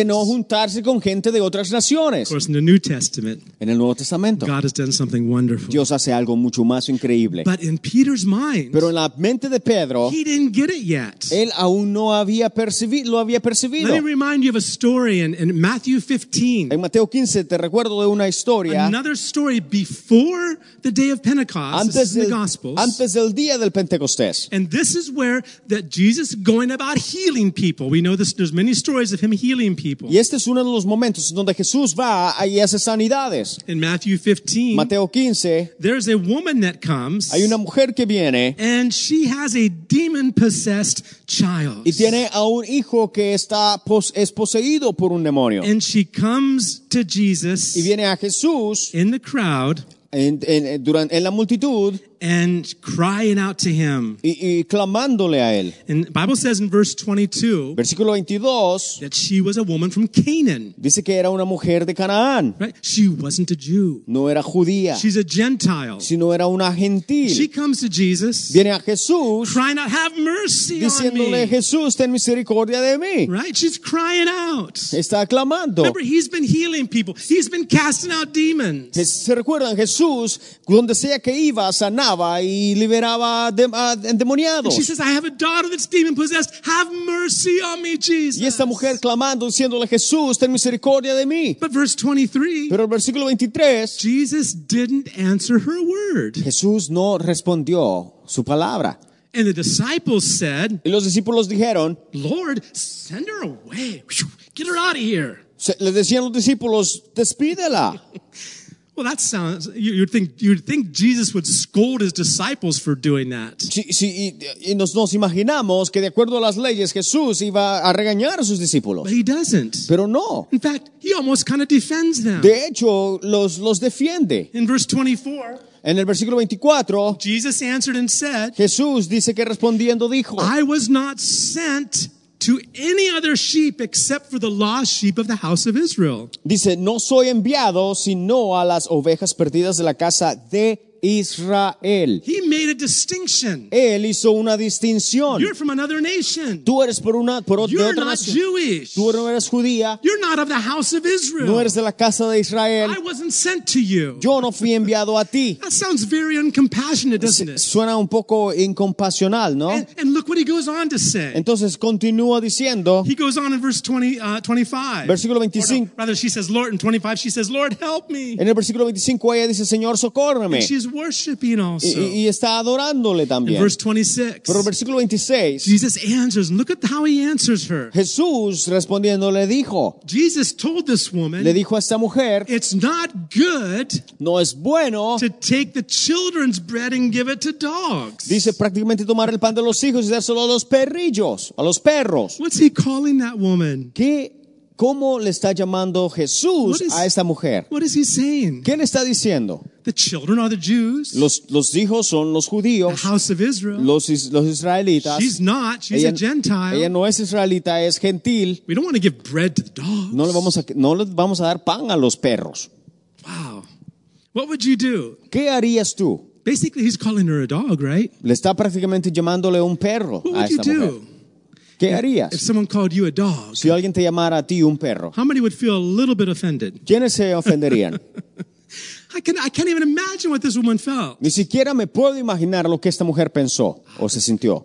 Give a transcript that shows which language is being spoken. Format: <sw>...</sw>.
<es>De no juntarse con gente de otras naciones.</es> <en>Of course, in the New Testament,</en> <es>en el Nuevo Testamento,</es> <en>God has done something wonderful.</en> <es>Dios hace algo mucho más increíble.</es> <en>But in Peter's mind,</en> <es>pero en la mente de Pedro,</es> <en>he didn't get it yet.</en> <es>Él aún no había lo había percibido.</es> <en>Let me remind you of a story in Matthew 15.</en> <es>En Mateo 15 te recuerdo de una historia.</es> <en>Another story before the day of Pentecost.</en> <es>Antes</es> <en>in the Gospels.</en> <es>Antes del día del Pentecostés.</es> <en>And this is where that Jesus is going about healing people. We know this, there's many stories of him healing people.</en> <es>Y este es uno de los momentos donde Jesús va y hace sanidades.</es> <en>In Matthew 15,</en> <es>Mateo 15,</es> <en>there's a woman that comes.</en> <es>Hay una mujer que viene.</es> <en>And she has a demon-possessed child.</en> <es>Y tiene a un hijo que está es poseído por un demonio.</es> <en>And she comes to Jesus.</en> <es>Y viene a Jesús.</es> <en>In the crowd.</en> <es>En la multitud.</es> <en>And crying out to him.</en> <es>Y clamándole a él.</es> <en>And the Bible says in verse 22,</en> <es>versículo 22,</es> <en>that she was a woman from Canaan.</en> <es>Dice que era una mujer de Canaán.</es> <en>Right? She wasn't a Jew.</en> <es>No era judía.</es> <en>She's a Gentile.</en> <es>Sino era una gentil.</es> <en>She comes to Jesus.</en> <es>Viene a Jesús.</es> <en>Crying out, have mercy on me.</en> <es>Diciéndole, Jesús, ten misericordia de mí.</es> <en>Right? She's crying out.</en> <es>Está clamando.</es> <en>Remember, he's been healing people. He's been casting out demons.</en> <es>¿Se recuerdan? Jesús Jesús, donde sea que iba, sanaba y liberaba endemoniados.</es> <en>She says, I have a daughter that's demon possessed. Have mercy on me, Jesus.</en> <es>Y esta mujer clamando, diciéndole, Jesús, ten misericordia de mí.</es> <en>But verse 23.</en> <es>Pero el versículo 23.</es> <en>Jesus didn't answer her word.</en> <es>Jesús no respondió su palabra.</es> <en>And the disciples said,</en> <es>y los discípulos dijeron,</es> <en>Lord, send her away. Get her out of here.</en> <es>Le decían los discípulos, despídela.</es> <en>Well, that sounds, you'd think Jesus would scold his disciples for doing that.</en> <es>Sí, y nos imaginamos que de acuerdo a las leyes, Jesús iba a regañar a sus discípulos.</es> <en>But he doesn't.</en> <es>Pero no.</es> <en>In fact, he almost kind of defends them.</en> <es>De hecho, los defiende.</es> <en>In verse 24.</en> <es>En el versículo 24,</es> <en>Jesus answered and said,</en> <es>Jesús dice que respondiendo dijo,</es> <en>I was not sent to any other sheep except for the lost sheep of the house of Israel.</en> <es>Dice, no soy enviado sino a las ovejas perdidas de la casa de Israel.</es> <en>He made a distinction.</en> <es>Él hizo una distinción.</es> <en>You're from another nation.</en> <es>Tú eres de otra nación.</es> <en>You're not Jewish.</en> <es>Tú no eres judía.</es> <en>You're not of the house of Israel.</en> <es>No eres de la casa de Israel.</es> <en>I wasn't sent to you.</en> <es>Yo no fui enviado a ti.</es> <en>That sounds very uncompassionate, doesn't it?</en> <es>Suena un poco incompasional, ¿no?</es> <en>And look what he goes on to say.</en> <es>Entonces continúa diciendo.</es> <en>He goes on in verse 25.</en> <es>Versículo 25.</es> <en>Rather, she says, Lord, in 25, she says, Lord, help me.</en> <es>En el versículo 25 ella dice, Señor, socórreme.</es> <en>Worshiping also.</en> <es>Y está adorándole también.</es> <en>In verse 26.</en> <es>Pero el versículo 26.</es> <en>Jesus answers. Look at how he answers her.</en> <es>Jesús respondiendo le dijo.</es> <en>Jesus told this woman.</en> <es>Le dijo a esta mujer.</es> <en>It's not good.</en> <es>No es bueno.</es> <en>To take the children's bread and give it to dogs.</en> <es>Dice prácticamente tomar el pan de los hijos y dárselo a los perrillos, a los perros.</es> <en>What's he calling that woman?</en> <es>¿Cómo le está llamando Jesús a esta mujer?</es> <en>What is he saying?</en> <es>¿Qué le está diciendo?</es> <en>The children are the Jews.</en> <es>Los hijos son los judíos.</es> <en>The house of Israel.</en> <es>Los israelitas.</es> <en>She's not. She's a Gentile.</en> <es>Ella no es israelita, es gentil.</es> <en>We don't want to give bread to the dogs.</en> <es>No le vamos a dar pan a los perros.</es> <en>Wow. What would you do?</en> <es>¿Qué harías tú?</es> <en>Basically, he's calling her a dog, right?</en> <es>Le está prácticamente llamándole un perro a esta mujer. ¿Qué harías?</es> <en>If someone called you a dog,</en> <es>si alguien te llamara a ti un perro.</es> <en>How many would feel a little bit offended?</en> <es>¿Quiénes se ofenderían?</es> <en>I can't even imagine what this woman felt.</en> <es>Ni siquiera me puedo imaginar lo que esta mujer pensó o se sintió.</es>